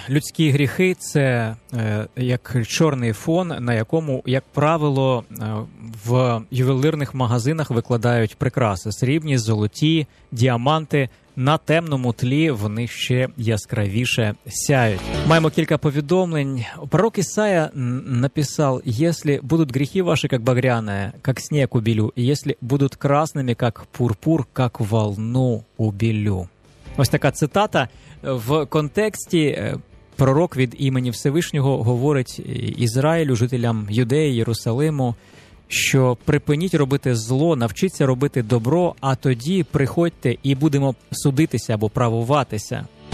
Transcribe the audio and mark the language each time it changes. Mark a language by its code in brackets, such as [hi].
[uk] Людські гріхи – це як чорний фон, на якому, як правило, в ювелирних магазинах викладають прикраси. Срібні, золоті, діаманти – на темному тлі вони ще яскравіше сяють. Маємо кілька повідомлень. Пророк Ісая написав: [ru] «Если будут грехи ваши, как багряное, как снег убелю, и если будут красными, как пурпур, как волну убелю». [uk] Ось така цитата. В контексті пророк від імені Всевишнього говорить Ізраїлю, жителям Юдеї, Єрусалиму, що припиніть робити зло, навчіться робити добро, а тоді приходьте і будемо судитися або правуватися.